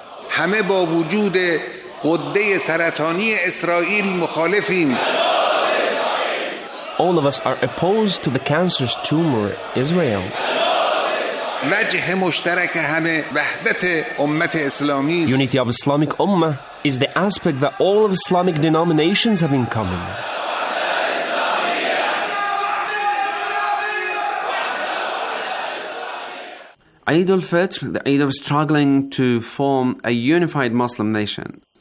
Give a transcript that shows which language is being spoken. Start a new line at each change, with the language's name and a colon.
Persian: همه با وجود غده سرطانی اسرائیل مخالفیم.
English: All of us are opposed to the cancer's tumor, Israel.
Persian: وجه مشترک همه وحدت امت اسلامی.
English: Unity of Islamic Ummah is the aspect that all of Islamic denominations have in common. Eid al-Fitr, the Eid of struggling to form a unified Muslim nation.